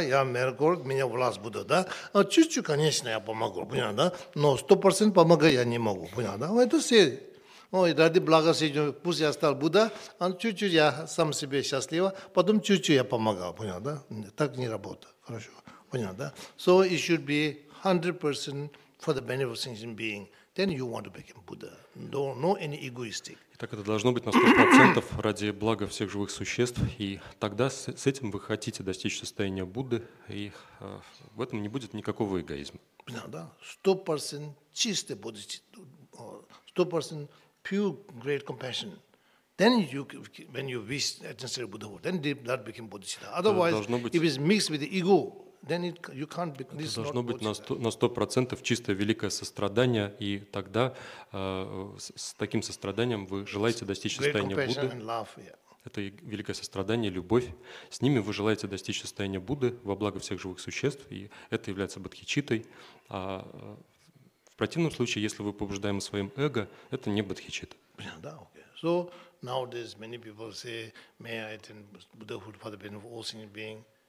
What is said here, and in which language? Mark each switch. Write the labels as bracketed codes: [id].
[ru] Я мэр города, меня власть будет, да? Чуть-чуть, конечно, я помогу, понятно, да? Но 100% помогать я не могу, понятно, да? Это все... Ой, ради блага Сиджи, пусть я стал Будда, а чуть-чуть я сам себе счастлива, потом чуть-чуть я помогал, понял, да? Так не работает, хорошо, понял, да? [en] So it should be 100% for the benefit of sentient being, then you want to become Buddha, no any egoistic. [ru] Итак, это должно быть на 100% ради блага всех живых существ, и тогда с этим вы хотите достичь состояния Будды, и в этом не будет никакого эгоизма. Понял, да? 100% чистый бодхичитта, 100% [en] pure great compassion. Then you, when you wish attainable Buddhahood, then that became bodhicitta. Otherwise, if it's mixed with the ego, then it you can't be. [ru] Это должно быть на 100% чистое великое сострадание, и тогда с таким состраданием вы желаете достичь состояния Будды. Это великое сострадание, любовь. С ними вы желаете достичь состояния Будды во благо всех живых существ, и это является бодхичиттой. В противном случае, если вы побуждаемы своим эго, это не бодхичитта. Да, окей. [en] So nowadays many people say, may I attain Buddhahood for the benefit of all sentient beings?